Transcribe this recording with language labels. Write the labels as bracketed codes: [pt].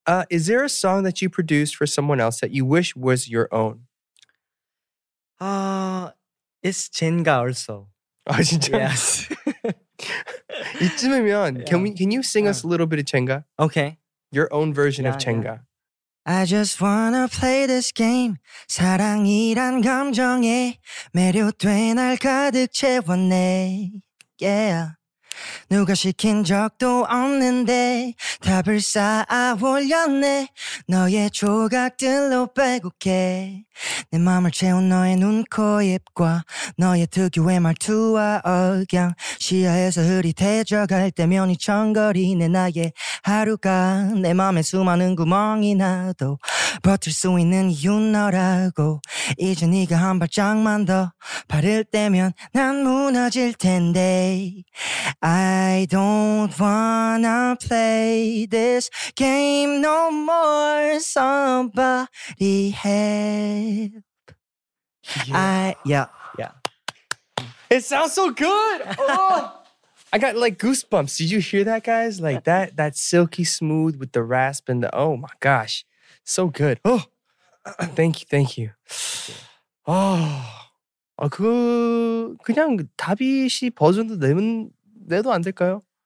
[en] Is there a song that you produced for someone else that you wish was your own? It's Jenga also. [ko] Oh, 진짜? [en] Yes. [ko] 이쯤이면 yeah. [en] can you sing us a little bit of Jenga? Okay. Your own version of Jenga. Yeah. I just wanna play this game. [ko] 사랑이란 감정에 매료돼 날 가득 채웠네. [en] Yeah. [ko] 누가 시킨 적도 없는데 답을 쌓아 올렸네. 너의 조각들로 빼곡해. 내 맘을 채운 너의 눈, 코, 입과 너의 특유의 말투와 억양 시야에서 흐릿해져갈 때면 휘청거리는 나의 하루가 내 맘에 수많은 구멍이 나도 버틸 수 있는 이유 너라고 이제 네가 한 발짝만 더 바를 때면 난 무너질 텐데 [en] I don't wanna play this game no more somebody help yeah. It sounds so good. I got like goosebumps. Did you hear that, guys? Like that that silky smooth with the rasp and the oh my gosh. So good. Oh. Thank you. Thank you. Oh. [ko] 아, 그 그냥 다비시 버전도 내면 내도 안 될까요?